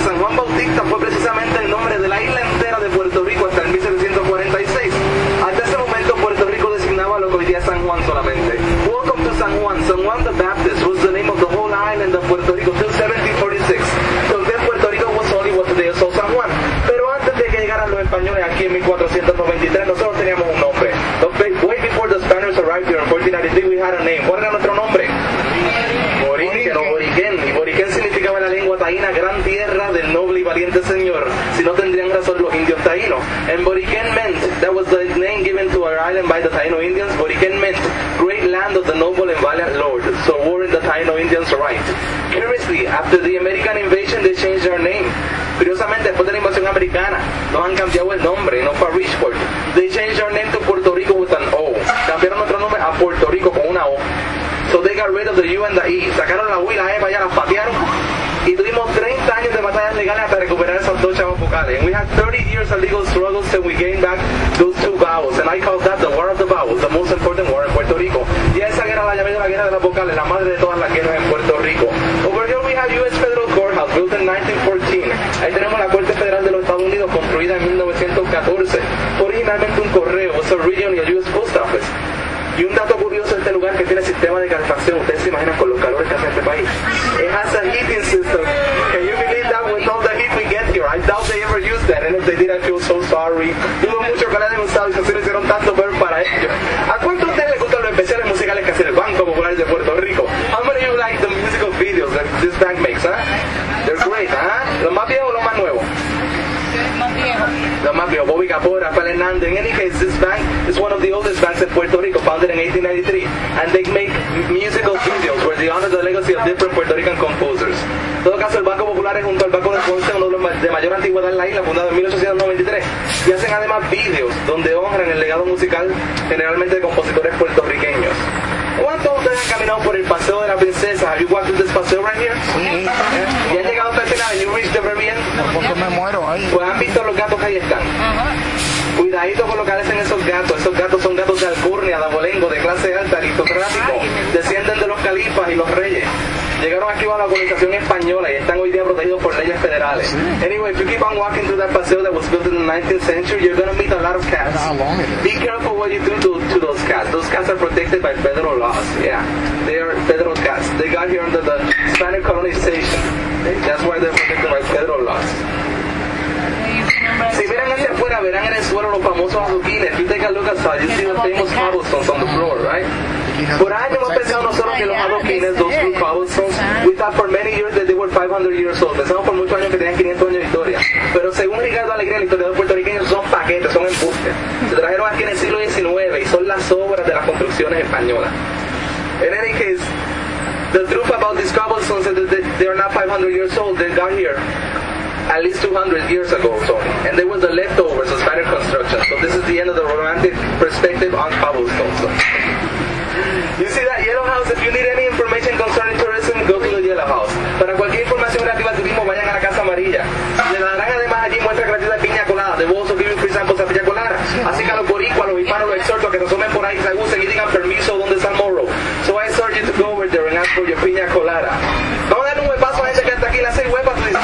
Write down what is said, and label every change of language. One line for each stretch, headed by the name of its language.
Spanish: San Juan Bautista fue precisamente el nombre de la isla entera de Puerto Rico hasta el 1746. Hasta ese momento Puerto Rico designaba lo que hoy día San Juan solamente.
English: Welcome to San Juan. San Juan the Baptist was the name of the whole island of Puerto Rico till 1746. Entonces Puerto Rico was only what today is San Juan.
Spanish: Españoles aquí en 1493 nosotros teníamos un nombre.
English: Way before the Spaniards arrived here in 1493 we had a name.
Spanish: ¿Cuál era nuestro nombre? Boriquen o Boriquen. Y Boriquen significaba en la lengua taína gran tierra del noble y valiente señor. Si no tendrían razón los indios taínos.
English: And Boriquen meant, that was the name given to our island by the Taino Indians. Boriquen meant great land of the noble and valiant lord. So weren't the Taino Indians right? Curiously, after the American invasion they changed their name.
Spanish: Curiosamente, después de la invasión americana, nos han cambiado el nombre, no para Richport.
English: They changed our name to Puerto Rico with an O.
Spanish: Cambiaron nuestro nombre a Puerto Rico con una O.
English: So they got rid of the U and the E.
Spanish: Sacaron la U y la E, vaya, las patearon. Y tuvimos 30 años de batallas legales hasta recuperar esas dos chavas vocales.
English: And we had 30 years of legal struggles and we gained back those two vowels. And I call that the War of the Vowels, the most important war in Puerto Rico.
Spanish: Y esa guerra la llamé la guerra de las vocales, la madre de todas las guerras en Puerto Rico.
English: Over here we have U.S. Federal Courthouse, built in 1914.
Spanish: Ahí tenemos la Corte Federal de los Estados Unidos, construida en 1914. Originalmente un correo,
English: was a region
Spanish: y a U.S. Post Office. Y un dato curioso es este lugar que tiene sistema de calefacción. Ustedes se imaginan con los calores que hace este país.
English: It has a heating system. Can you believe that with all the heat we get here? I doubt they ever used that. And if they did, I feel so sorry.
Spanish: Tuve mucho calor en un sábado y se hicieron tanto peor para ellos. ¿A cuántos de ustedes les gustan los especiales musicales que hace el Banco Popular de Puerto Rico?
English: How many of you like the musical videos that this bank makes, huh? They're great, huh?
Spanish: ¿Los más viejos o los más nuevos?
English: Bobby Capó, Rafael Hernández. In any case, this bank is one of the oldest banks in Puerto Rico, founded in 1893, and they make musical videos where they honor the legacy of different Puerto Rican composers.
Spanish: En todo caso, el Banco Popular es junto al Banco de Ponce, uno de mayor antigüedad en la isla, fundado en 1893, y hacen además videos donde honran el legado musical generalmente de compositores puertorriqueños. ¿Cuántos de ustedes han caminado por el Paseo de la Princesa?
English: ¿Have you walked through this paseo right here?
Spanish: Sí. ¿Y han llegado hasta el final?
English: ¿Have you reached the very end?
Spanish: Porque me muero ahí. Pues han visto los gatos que ahí están. Ajá. Cuidadito con lo que hacen esos gatos. Esos gatos son gatos de alcurnia, de abolengo, de clase alta, aristocrático. Descienden de los califas y los reyes. Llegaron aquí a la colonización española y están hoy día protegidos por leyes federales. Sí.
English: Anyway, if you keep on walking through that paseo that was built in the 19th century, you're going to meet a lot of cats. Be careful what you do to those cats. Those cats are protected by federal laws. Yeah, they are federal cats. They got here under the Spanish colonization. That's why they're protected by federal laws.
Spanish: Si miran hacia afuera, verán en el suelo los famosos adoquines.
English: If you take a look outside, you see the famous cobblestones on the floor, right?
Spanish: Por años hemos pensado nosotros que los adoquines,
English: those blue cobblestones, we thought for many years that they were 500 years old.
Spanish: Pensamos por muchos años que tenían 500 años de historia. Pero según Ricardo Alegría, el historiador puertorriqueño, son paquetes, son embustes. Se trajeron aquí en el siglo XIX y son las obras de las construcciones españolas.
English: En any case, the truth about these cobblestones is that they are not 500 years old. They got here at least 200 years ago, so, and they were the leftovers of Spanish construction. So this is the end of the romantic perspective on Kabul also. You see that yellow house? If you need any information concerning tourism, go to the yellow house.
Spanish: Para cualquier información relativa al turismo, vayan a la Casa Amarilla. La naranja además allí muestra gratis de piña colada.
English: They will also give you free samples of piña colada.
Spanish: Así que a los boricua, a los hispanos, los exhorto a que se tomen por ahí, se abusen y digan permiso donde está Morro.
English: So I exhort you to go over there and ask for your piña colada.
Spanish: Vamos a darle un huepazo a esa que está aquí, la 6 huepas.